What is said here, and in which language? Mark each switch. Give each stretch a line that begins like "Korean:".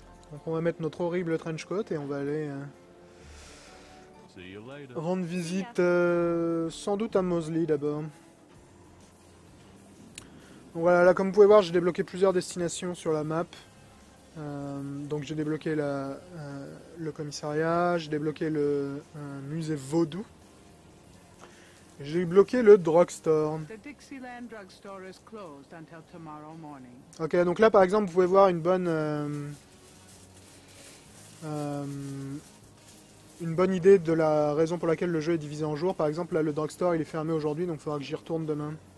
French: Donc on va mettre notre horrible trench coat et on va aller rendre visite sans doute à Mosley d'abord. Donc voilà, là, comme vous pouvez voir, j'ai débloqué plusieurs destinations sur la map. Donc j'ai débloqué le commissariat, j'ai débloqué le musée Vaudou. J'ai débloqué le drugstore.
English: The Dixieland drugstore is closed until tomorrow morning.
French: Ok, donc là par exemple, vous pouvez voir une bonne idée de la raison pour laquelle le jeu est divisé en jours. Par exemple, là, le drugstore il est fermé aujourd'hui, donc il faudra que j'y retourne demain.